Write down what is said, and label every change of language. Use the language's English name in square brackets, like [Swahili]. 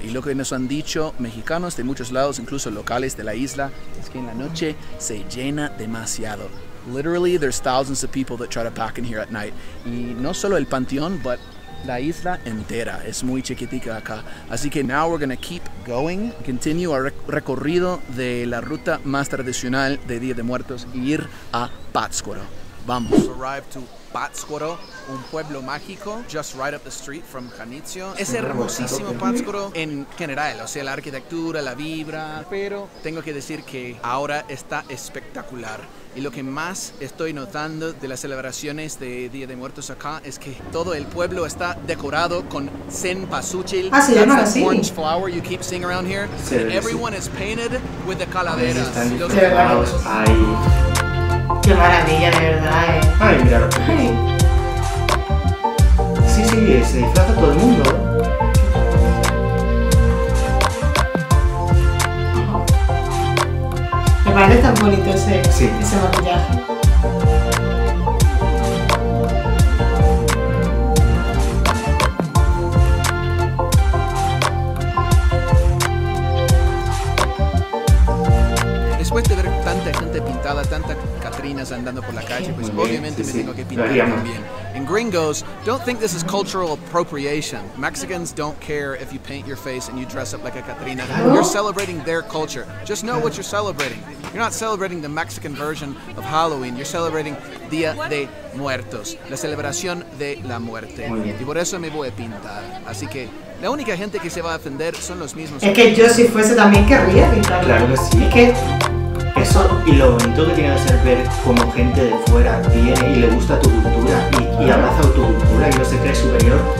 [Spanish] Y lo que nos han dicho mexicanos de muchos lados, incluso locales de la isla, es que en la noche se llena demasiado. [English] Literally, there's thousands of people that try to pack in here at night. [Spanish] Y no solo el panteón, but la isla entera. Es muy chiquitica acá. Así que [English] now we're gonna keep going, continue our [Spanish] recorrido de la ruta más tradicional de Día de Muertos, y ir a Pátzcuaro. Vamos. [English] Pátzcuaro, [Spanish] un pueblo mágico, [English] just right up the street from Janitzio. [Spanish] Es hermosísimo Pátzcuaro en general, o sea, la arquitectura, la vibra, pero tengo que decir que ahora está espectacular. Y lo que más estoy notando de las celebraciones de Día de Muertos acá es que todo el pueblo está decorado con cempasúchil. Ah, se llama así. [English] Orange flower you keep seeing around here. Sí, and everyone is painted with the calaveras. [Spanish] Los decorados ahí. Qué maravilla, de verdad, ¿eh? Ay, mira lo que hay. Sí, sí, bien, se disfraza todo el mundo. Me parece tan bonito ese, sí, ese maquillaje. Después de ver tanta gente pintada, tanta andando por la calle, pues bien, obviamente sí, me sí, tengo que pintar también. [English] And gringos, don't think this is cultural appropriation. Mexicans don't care if you paint your face and you dress up like a Catrina. [Spanish] ¿No? [English] You're celebrating their culture. Just know what you're celebrating. You're not celebrating the Mexican version of Halloween. You're celebrating [Spanish] Día de Muertos, la celebración de la muerte. Y por eso me voy a pintar. Así que la única gente que se va a defender son los mismos. Es que yo si fuese también querría pintar. Claro que sí. Es que eso, y lo bonito que tiene que ser ver como gente de fuera viene y le gusta tu cultura y abraza tu cultura y no se cree superior.